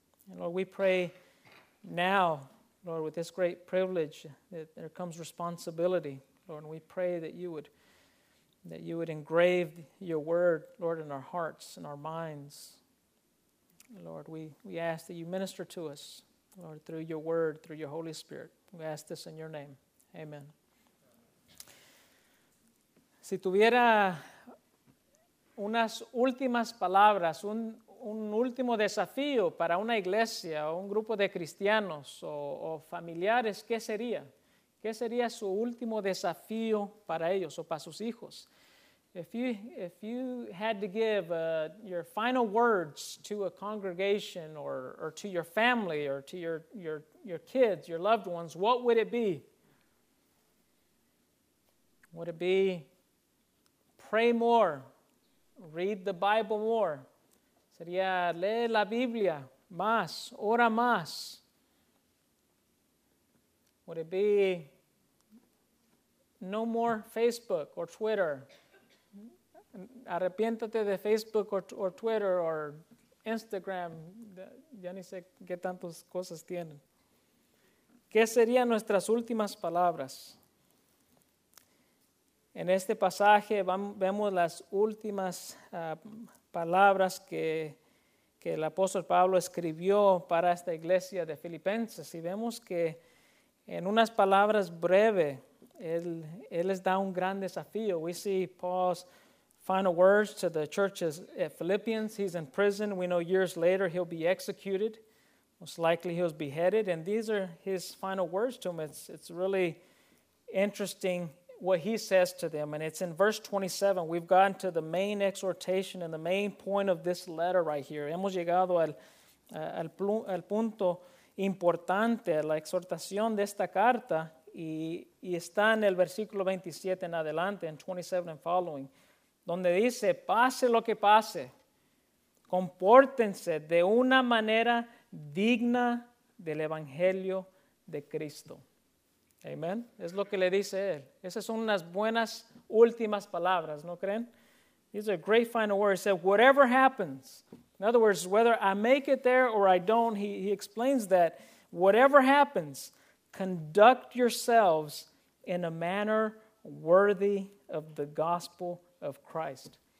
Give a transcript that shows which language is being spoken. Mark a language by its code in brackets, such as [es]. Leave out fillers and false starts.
[en] And Lord, we pray now, Lord, with this great privilege, that there comes responsibility. Lord, and we pray that you would engrave your word, Lord, in our hearts and our minds. Lord, we ask that you minister to us Lord, through your word, through your Holy Spirit. We ask this in your name. Amen. [es] Si tuviera unas últimas palabras, un último desafío para una iglesia o un grupo de cristianos o familiares, ¿qué sería? ¿Qué sería su último desafío para ellos o para sus hijos? [en] If you had to give your final words to a congregation or to your family or to your kids, your loved ones, what would it be? Would it be pray more, read the Bible more? [es] Sería lee la Biblia más, ora más. [en] Would it be no more Facebook or Twitter? [es] Arrepiéntate de Facebook [en] or Twitter or Instagram. [es] Ya ni sé qué tantas cosas tienen. ¿Qué serían nuestras últimas palabras? En este pasaje vemos las últimas palabras que el apóstol Pablo escribió para esta iglesia de Filipenses. Y vemos que en unas palabras breves, él les da un gran desafío. [en] We see Paul's final words to the churches at Philippians. He's in prison. We know years later he'll be executed. Most likely he'll be beheaded. And these are his final words to them. It's really interesting what he says to them. And it's in verse 27. We've gotten to the main exhortation and the main point of this letter right here. [es] Hemos llegado al punto importante, la exhortación de esta carta. Y está en el versículo 27 en adelante, en 27 [en] and following, [es] donde dice, pase lo que pase, compórtense de una manera digna del Evangelio de Cristo. Amén. Es lo que le dice él. Esas son unas buenas últimas palabras, ¿no creen? [en] These are great final words. He said, whatever happens, in other words, whether I make it there or I don't, he explains that, whatever happens, conduct yourselves in a manner worthy of the gospel of Christ.